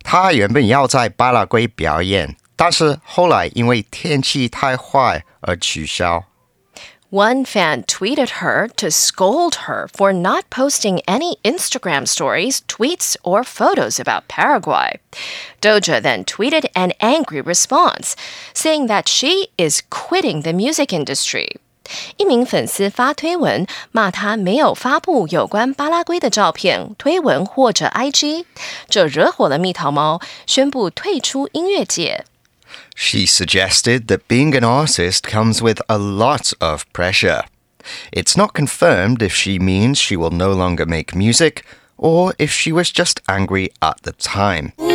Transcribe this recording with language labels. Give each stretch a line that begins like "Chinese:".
Chinese: 她原本要在巴拉圭表演, 但是后来因为天气太坏而取消.
English: One fan tweeted her to scold her for not posting any Instagram stories, tweets, or photos about Paraguay. Doja then tweeted an angry response, saying that she is quitting the music industry.
Chinese: 一名粉丝发推文骂她没有发布有关巴拉圭的照片、推文或者IG, 这惹火了蜜桃猫，宣布退出音乐界。
English: She suggested that being an artist comes with a lot of pressure. It's not confirmed if she means she will no longer make music or if she was just angry at the time.